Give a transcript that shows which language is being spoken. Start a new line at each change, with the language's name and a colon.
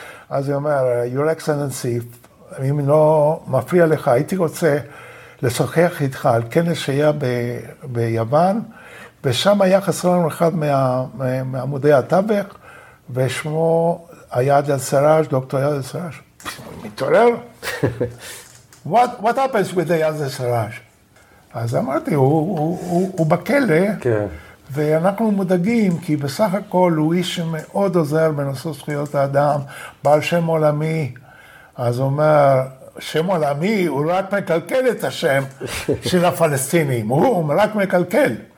Hebrew: אז היא אומר,
English: your excellency,
Hebrew: אם לא מפריע לך, הייתי רוצה לשוחח איתך על כנס שהיה ביוון, ושם היה חסר לנו אחד מעמודי הטווח, ושמו היה יעדל סראז', דוקטור יעדל סראז'. מתעורר?
English: what happens with the יעדל סראז'?
Hebrew: אז אמרתי, הוא בכלא. כן. ואנחנו מודאגים, כי בסך הכל הוא איש שמאוד עוזר בנושא זכויות האדם, בעל שם עולמי, אז הוא אומר, שם עולמי הוא רק מקלקל את השם של הפלסטינים, הוא רק מקלקל.